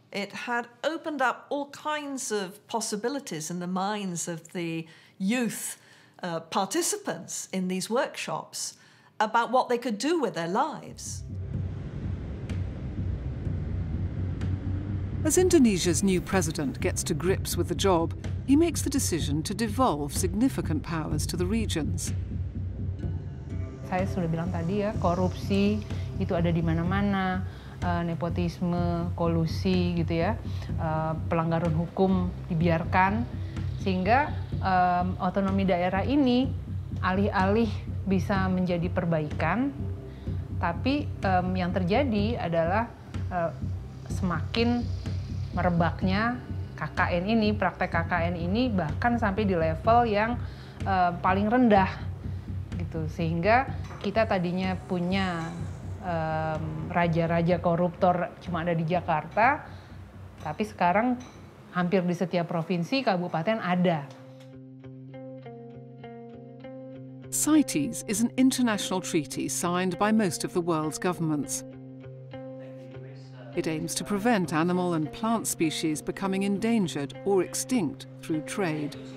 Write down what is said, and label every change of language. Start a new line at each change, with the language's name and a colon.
English: It had opened up all kinds of possibilities in the minds of the youth participants in these workshops about what they could do with their lives. As Indonesia's new president gets to grips with the job, he makes the decision to devolve significant powers to the regions.
Indonesian: Saya sudah bilang tadi ya, korupsi itu ada di mana-mana, nepotisme, kolusi gitu ya, pelanggaran hukum dibiarkan, sehingga otonomi daerah ini alih-alih bisa menjadi perbaikan, tapi yang terjadi adalah semakin merebaknya KKN ini, praktek KKN ini bahkan sampai di level yang paling rendah gitu, sehingga kita tadinya punya raja-raja koruptor cuma ada di Jakarta, tapi sekarang hampir di setiap provinsi, kabupaten ada.
English: CITES is an international treaty signed by most of the world's governments. It aims to prevent animal and plant species becoming endangered or extinct through trade.